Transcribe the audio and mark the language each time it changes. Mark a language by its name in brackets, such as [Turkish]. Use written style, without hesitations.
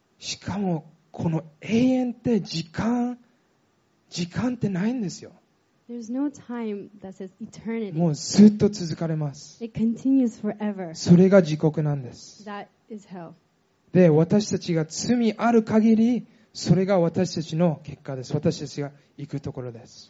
[Japanese] しかもこの永遠って時間ってないんですよ。 [English] There's no time that says eternity. [Japanese] もうずっと続かれます。 [English] It continues forever. [Japanese] それが地獄なんです。 [English] That is hell. [Japanese] で、私たちが罪ある限り、それが私たちの結果です。私たちが行くところです。